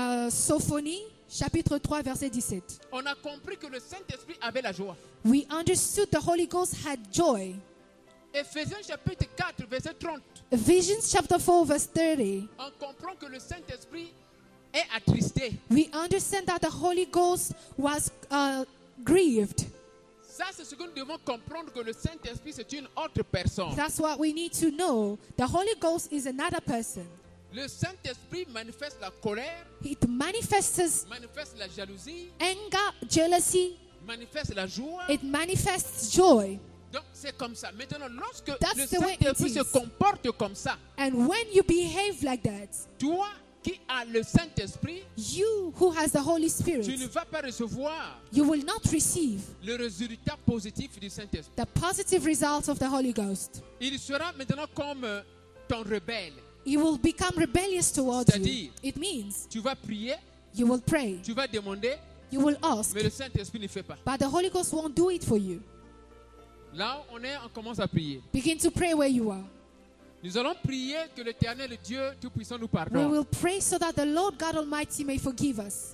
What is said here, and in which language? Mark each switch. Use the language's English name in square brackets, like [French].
[French] Sophonie chapitre 3 verset 17. On a compris que le Saint-Esprit avait la joie. [English] We understood the Holy Ghost had joy. [French] Éphésiens chapitre 4 verset 30. [English] Ephesians chapter 4 verse 30. [French] On comprend que le Saint-Esprit est attristé. [English] We understand that the Holy Ghost was grieved. [French] Ça, c'est ce que nous devons comprendre, que le Saint-Esprit c'est une autre personne. [English] That's what we need to know. The Holy Ghost is another person. [French] Le Saint-Esprit manifeste la colère. [English] It manifests. [French] Manifeste la jalousie. [English] Anger, jealousy. [French] Manifeste la joie. [English] It manifests joy. [French] Donc c'est comme ça. Maintenant, lorsque le Saint-Esprit se comporte comme ça, [English] and when you behave like that, [French] toi qui as le Saint-Esprit, [English] you who has the Holy Spirit, [French] tu ne vas pas recevoir, [English] you will not receive, [French] le résultat positif du Saint-Esprit, [English] the positive results of the Holy Ghost. [French] Il sera maintenant comme ton rebelle. [English] He will become rebellious towards [French] C'est-à-dire, [English] you. It means [French] tu vas prier, [English] you will pray, [French] tu vas demander, [English] you will ask, [French] mais le Saint-Esprit ne fait pas. [English] But the Holy Ghost won't do it for you. [French] Là, on est, on commence à prier. [English] Begin to pray where you are. [French] Nous allons prier que l'Éternel Dieu Tout-Puissant nous pardonne. [English] We will pray so that the Lord God Almighty may forgive us.